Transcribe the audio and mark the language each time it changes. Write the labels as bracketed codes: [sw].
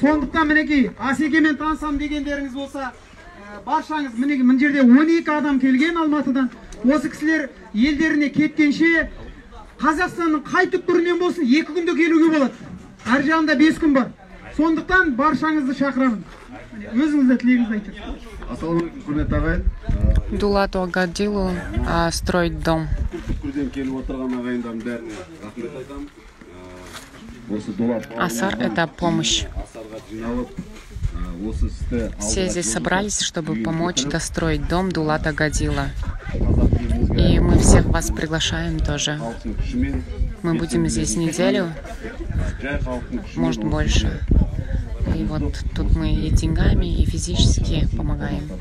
[kk] Сондықтан мінекей асекемен танысамын дегендеріңіз болса, Баршаңыз мен жерде 12 адам келген Алматыдан. Осы кісілер елдеріне кеткенше Қазақстанның қай түкпірінен болсын 2 күнде келуге болады. Ар жағында 5 күн бар. Сондықтан баршаңызды шақырамын. Өзіңізге тілегіңізді айтыңыз. Асалам алейкум, құрметті ағайын. Дулат Огадилу, [ru] строй дом. [kk] Күрден келіп отырған ағайындардың бәріне рахмет айтамын. [ru] Асар – это помощь. Все здесь собрались, чтобы помочь достроить дом Дулата Гадила. И мы всех вас приглашаем тоже. Мы будем здесь неделю, может, больше. И вот тут мы и деньгами, и физически помогаем.